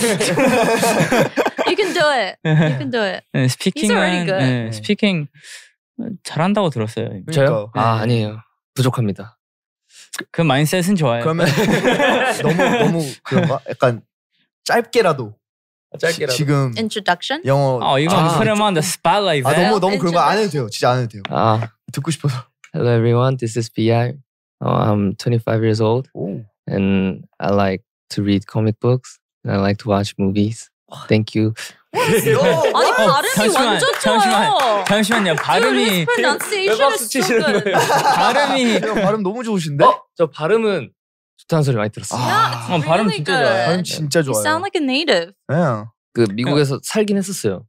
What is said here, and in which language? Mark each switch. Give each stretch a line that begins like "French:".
English: You can do it. You can do it. 네,
Korean: 스피킹은
English: He's already good. 네,
Korean: 스피킹 잘한다고 들었어요. 저요? 아 아니에요. 부족합니다. 그 마인셋은 좋아요. 그러면 너무 그런가? 약간 짧게라도. 짧게라도. 지금
English: introduction?
Korean: 영어. 어, 이건 설명한다. Spotlight. 아, 너무 그런 거 안 해도 돼요. 진짜 안 해도 돼요. 아. 듣고 싶어서.
English: Hello everyone. This is BI. I'm 25 years old. Ooh. And I like to read comic books and I like to watch movies. Thank you.
Korean: 아니 발음이 잠시만, 완전 좋아요. 잠시만요. 발음이 왜박수 치시는 거예요? 발음이 발음 너무 좋으신데? 어? 저 발음은 좋다는 소리 많이 들었어요. 아, 발음 진짜 좋아요. 발음 진짜 좋아요.
English: You sound like a native. 네.
Korean: 그 미국에서 네. 살긴 했었어요.